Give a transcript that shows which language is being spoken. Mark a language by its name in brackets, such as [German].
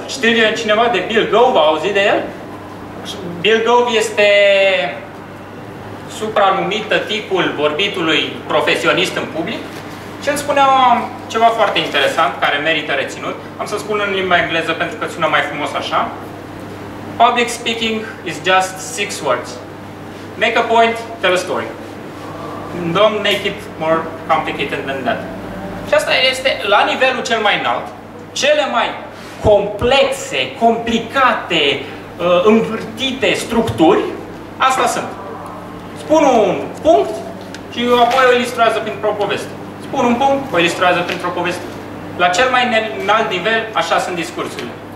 [Romanian] Știți cineva de Bill Gove? A auzit de el? Bill Gove este supranumită tipul vorbitului profesionist în public și îmi spunea ceva foarte interesant, care merită reținut. Am să spun în limba engleză pentru că sună mai frumos așa. [English] Public speaking is just 6 words. Make a point, tell a story. Don't make it more complicated than that. [Romanian] Și asta este la nivelul cel mai înalt. Cele mai complexe, complicate, învârtite structuri, asta sunt. Spun un punct și apoi o ilustrează printr-o poveste. Spun un punct, o ilustrează printr-o poveste. La cel mai înalt nivel, așa sunt discursurile.